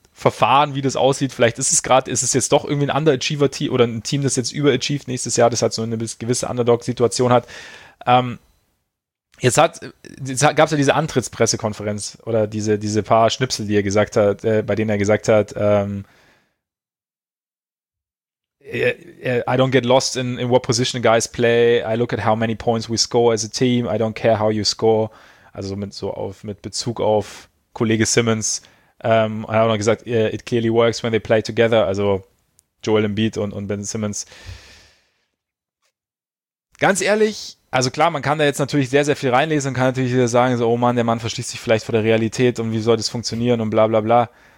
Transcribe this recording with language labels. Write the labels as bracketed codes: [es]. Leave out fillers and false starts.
[de] verfahren, wie das aussieht. Vielleicht ist es gerade, ist es jetzt doch irgendwie ein Underachiever-Team oder ein Team, das jetzt überachieved nächstes Jahr, das halt so eine gewisse Underdog-Situation hat. Jetzt gab es ja diese Antrittspressekonferenz oder diese paar Schnipsel, die er gesagt hat, bei denen er gesagt hat, [en] I don't get lost in what position guys play. I look at how many points we score as a team. I don't care how you score. [de] Also mit Bezug auf Kollege Simmons. Er hat auch noch gesagt, [en] it clearly works when they play together. [de] Also Joel Embiid und Ben Simmons. Ganz ehrlich, also klar, man kann da jetzt natürlich sehr, sehr viel reinlesen und kann natürlich wieder sagen, so, oh Mann, der Mann verschließt sich vielleicht vor der Realität und wie soll das funktionieren und bla bla bla.